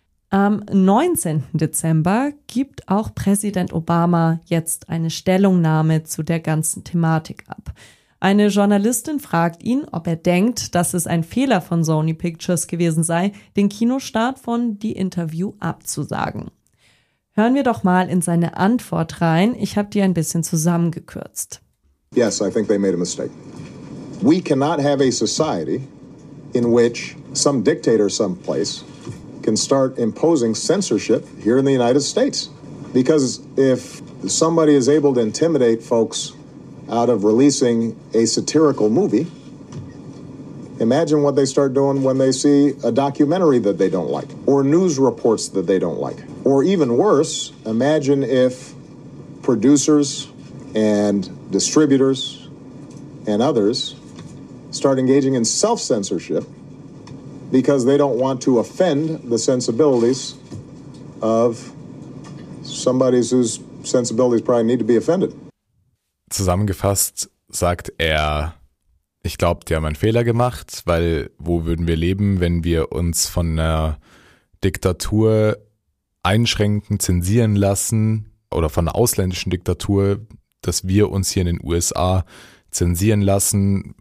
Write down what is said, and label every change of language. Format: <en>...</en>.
<de>Am 19. Dezember gibt auch Präsident Obama jetzt eine Stellungnahme zu der ganzen Thematik ab. Eine Journalistin fragt ihn, ob er denkt, dass es ein Fehler von Sony Pictures gewesen sei, den Kinostart von The Interview abzusagen. Hören wir doch mal in seine Antwort rein. Ich habe die ein bisschen zusammengekürzt.</de> <en>Yes, I think they made a mistake. We cannot have a society in which some dictator someplace can start imposing censorship here in the United States. Because if somebody is able to intimidate folks out of releasing a satirical movie, imagine what they start doing when they see a documentary that they don't like, or news reports that they don't like. Or even worse, imagine if producers and distributors and others start engaging in self-censorship because they don't want to offend the sensibilities of somebody whose sensibilities probably need to be offended.</en> <de>Zusammengefasst sagt er, ich glaube, die haben einen Fehler gemacht, weil wo würden wir leben, wenn wir uns von einer Diktatur einschränken, zensieren lassen oder von einer ausländischen Diktatur, dass wir uns hier in den USA zensieren lassen.</de>